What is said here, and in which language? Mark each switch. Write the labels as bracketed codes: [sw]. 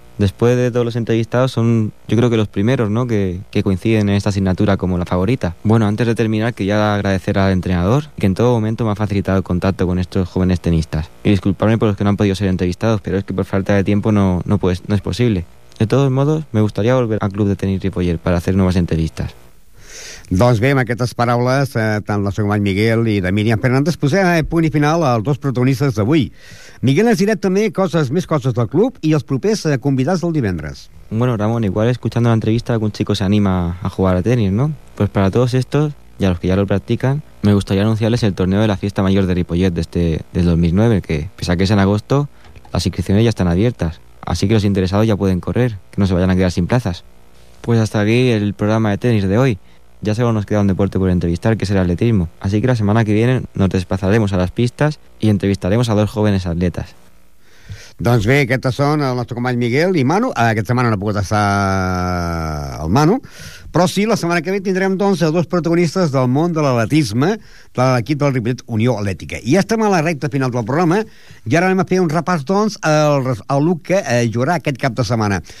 [es] Después de todos los entrevistados, son yo creo que los primeros, ¿no?, que coinciden en esta asignatura como la favorita. Bueno, antes de terminar, quería agradecer al entrenador, que en todo momento me ha facilitado el contacto con estos jóvenes tenistas. Y disculparme por los que no han podido ser entrevistados, pero es que por falta de tiempo no es posible. De todos modos, me gustaría volver al Club de Tenis Ripoller para hacer nuevas entrevistas. [ca] Doncs bé, amb aquestes paraules, tant la segona Miguel i de Miriam Fernández, posem punt i final als dos protagonistes d'avui. Miguel, ens direm també més coses del club i els propers convidats del divendres. [es] Bueno, Ramón, igual escuchando la entrevista algún chico se anima a jugar a tenis, ¿no? Pues para todos estos, y a los que ya lo practican, me gustaría anunciarles el torneo de la fiesta mayor de Ripollet del 2009, que, pese a que es en agosto, las inscripciones ya están abiertas. Así que los interesados ya pueden correr, que no se vayan a quedar sin plazas. Pues hasta aquí el programa de tenis de hoy. Ya solo nos queda un deporte por entrevistar, que es el atletismo. Así que la semana que viene nos desplazaremos a las pistas y entrevistaremos a dos jóvenes atletas. [ca] Doncs bé, aquestes són el nostre company Miguel i Manu. Aquesta setmana no ha pogut estar el Manu, però sí, la setmana que ve tindrem, doncs, dos protagonistes del món de l'atletisme de l'equip del Ripollet Unió Atlètica. I estem a la recta final del programa i ara anem a fer un repàs, doncs, al que jugarà aquest cap de setmana.